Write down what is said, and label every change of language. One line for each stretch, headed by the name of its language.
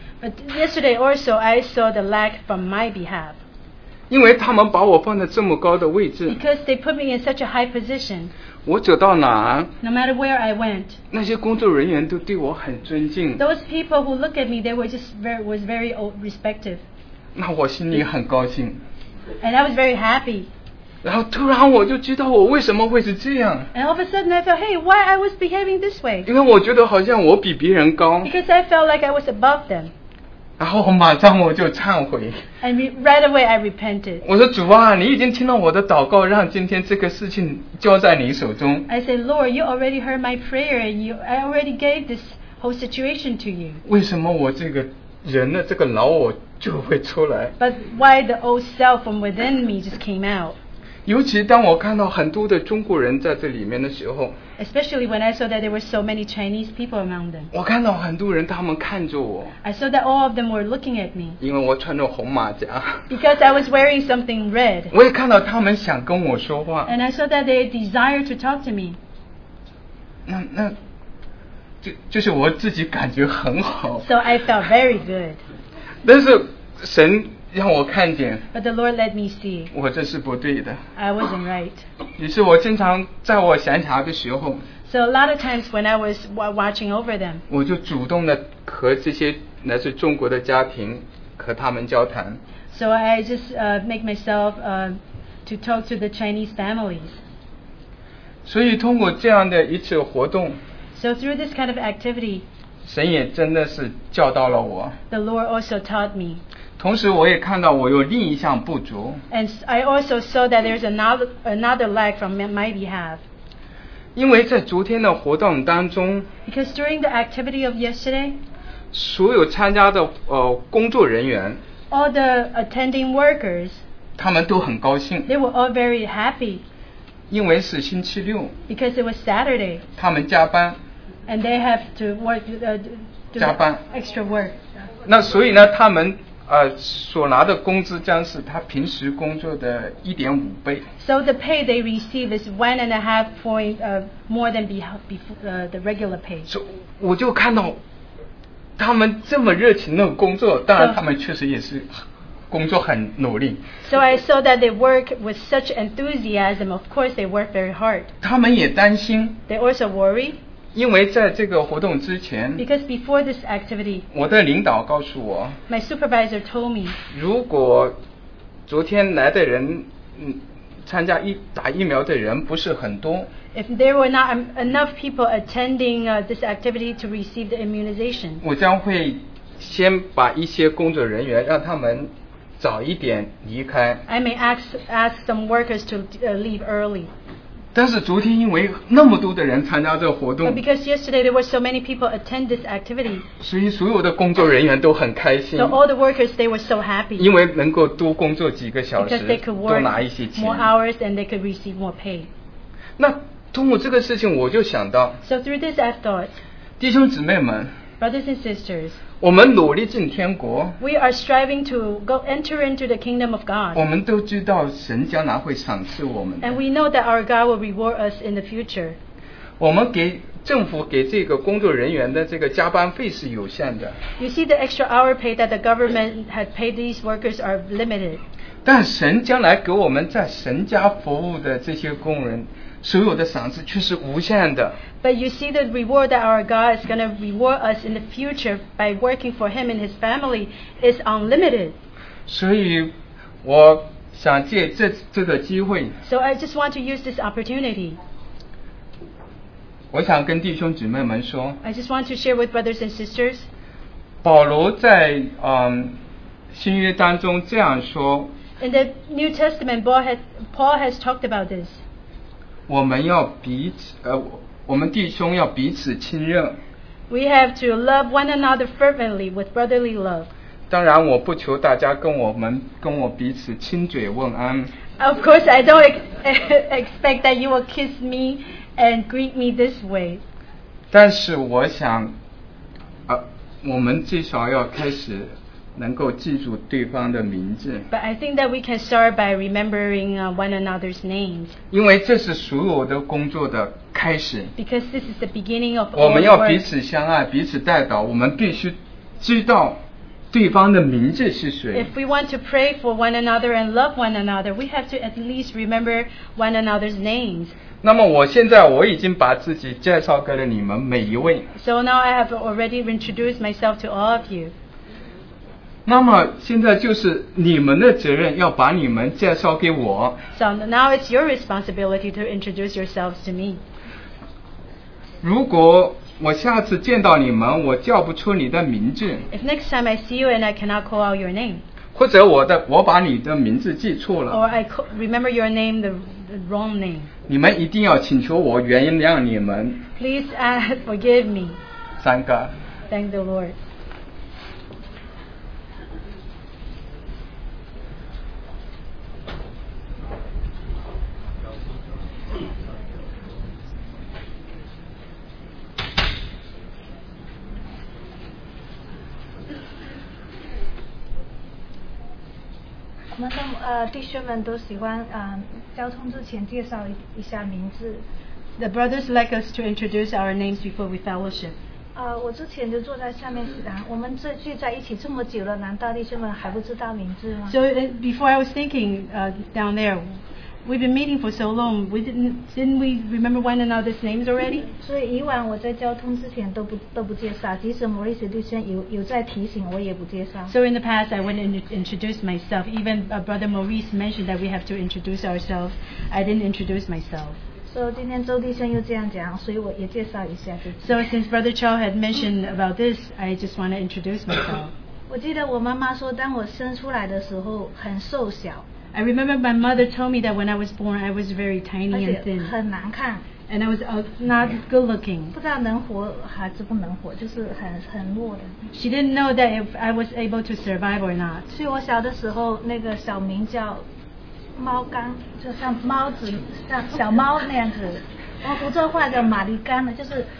English: But yesterday also I saw the lack from my behalf.
Chinese: 因为他们把我放在这么高的位置。
English: Because they put me in such a high position.
Chinese: 我走到哪
English: no matter where I went,
Chinese: 那些工作人员都对我很尊敬
English: those people who look at me they were just very, was very respective
Chinese: 那我心里很高兴
English: and I was very happy
Chinese: 然后突然我就知道我为什么会是这样
English: and all of a sudden I felt hey why I was behaving this way
Chinese: 因为我觉得好像我比别人高
English: because I felt like I was above them
Chinese: 然后马上我就忏悔
English: and right away I repented
Chinese: 我说主啊你已经听到我的祷告让今天这个事情交在你手中
English: I said Lord you already heard my prayer and you, I already gave this whole situation to you
Chinese: 为什么我这个人的这个老我就会出来
English: but why the old self from within me just came out
Chinese: 尤其当我看到很多的中国人在这里面的时候
English: especially when I saw that there were so many Chinese people among them
Chinese: 我看到很多人他们看着我
English: I saw that all of them were looking at me
Chinese: 因为我穿着红马甲
English: because I was wearing something red
Chinese: 我也看到他们想跟我说话
English: and I saw that they desired to talk to me
Chinese: 那就是我自己感觉很好
English: so I felt very good
Chinese: 但是神让我看见
English: But the Lord let me see
Chinese: 我这是不对的
English: I wasn't right
Chinese: 于是我经常在我闲暇的时候
English: So a lot of times when I was watching over them
Chinese: 我就主动的和这些来自中国的家庭和他们交谈
English: So I just make myself to talk to the Chinese families
Chinese: 所以通过这样的一次活动
English: So through this kind of activity
Chinese: 神也真的是教导了我
English: The Lord also taught me
Chinese: 同时我也看到我有另一项不足
English: and I also saw that there's another lack from my behalf
Chinese: 因为在昨天的活动当中
English: because during the activity of yesterday
Chinese: 所有参加的工作人员
English: all the attending workers
Chinese: 他们都很高兴
English: they were all very happy
Chinese: 因为是星期六
English: because it was Saturday
Chinese: 他们加班
English: and they have to work
Chinese: 加班
English: extra work
Chinese: 那所以呢他们所拿的工资将是他平时工作的 1.5 倍
English: So the pay they receive is 1.5 point more than the regular pay
Chinese: So 我就看到他们这么热情的工作当然他们确实也是工作很努力
English: So I saw that they work with such enthusiasm Of course they work very hard
Chinese: 他们也担心
English: They also worry
Chinese: 因为在这个活动之前
English: Because before this activity
Chinese: 我的领导告诉我
English: My supervisor told me
Chinese: 如果昨天来的人参加打疫苗的人不是很多
English: If there were not enough people attending this activity to receive the immunization
Chinese: 我将会先把一些工作人员让他们早一点离开
English: I may ask some workers to leave early
Chinese: 但是昨天因为那么多的人参加这个活动
English: But because yesterday there were so many people attend this activity
Chinese: 所以所有的工作人员都很开心
English: So all the workers they were so happy
Chinese: 因为能够多工作几个小时
English: Because they could work
Chinese: 多拿一些钱
English: more hours and they could receive more pay
Chinese: 那通过这个事情我就想到
English: So through this I thought
Chinese: 弟兄姊妹们
English: Brothers and sisters
Chinese: 我们努力进天国
English: We are striving to go enter into the kingdom of God
Chinese: 我们都知道神将来会赏赐我们
English: And we know that our God will reward us in the future
Chinese: 我们给政府给这个工作人员的这个加班费是有限的
English: You see the extra hour pay that the government had paid these workers are limited
Chinese: 但神将来给我们在神家服务的这些工人所有的赏赐却是无限的
English: But you see the reward that our God is going to reward us in the future by working for him and his family is unlimited
Chinese: 所以我想借 这个机会
English: So I just want to use this opportunity
Chinese: 我想跟弟兄姊妹们说
English: I just want to share with brothers and sisters
Chinese: 保罗在新约当中这样说
English: In the New Testament Paul has talked about this We have to love one another fervently with brotherly love.
Chinese: 当然，我不求大家跟我彼此亲嘴问安。
English: Of course, I don't expect that you will kiss me and greet me this way.
Chinese: 但是我想，我们至少要开始能够记住对方的名字
English: But I think that we can start by remembering one another's names
Chinese: 因为这是所有的工作的开始
English: Because this is the beginning of
Chinese: 我们要彼此相爱彼此代祷我们必须知道对方的名字是谁
English: If we want to pray for one another and love one another we have to at least remember one another's names
Chinese: 那么我现在我已经把自己介绍给了你们每一位
English: So now I have already introduced myself to all of you
Chinese: 那么现在就是你们的责任要把你们介绍给我
English: So now it's your responsibility to introduce yourselves to me
Chinese: 如果我下次见到你们我叫不出你的名字
English: If next time I see you and I cannot call out your name
Chinese: 或者我把你的名字记错了
English: Or I remember your name the wrong name
Chinese: 你们一定要请求我原谅你们
English: Please forgive me
Chinese: 三个
English: Thank the Lord The brothers like us to introduce our names before we fellowship.
Chinese: 我之前就坐在下面席上。我们这聚在一起这么久了，难道弟兄们还不知道名字吗
English: ？So before I was thinking, down there, we've been meeting for so long. Didn't we remember one another's names already?
Chinese: 所以以往我在交通之前都不介绍，即使摩利斯弟兄有在提醒，我也不介绍。
English: So in the past, I wouldn't introduce myself. Even Brother Maurice mentioned that we have to introduce ourselves. I didn't introduce myself.
Chinese: So 今天周弟兄又这样讲，所以我也介绍一下。
English: So since Brother Chow had mentioned about this, I just want to introduce myself.
Chinese: 我记得我妈妈说，当我生出来的时候很瘦小。
English: I remember my mother told me that when I was born, I was very tiny and thin.
Chinese: 很难看。
English: And I was not good looking.
Chinese: 不知道能活还是不能活，就是很弱的。
English: She didn't know that if I was able to survive or not.
Chinese: 所以我小的时候，那个小名叫猫缸，就像猫子，像小猫那样子。我福州话叫玛丽缸了，就是。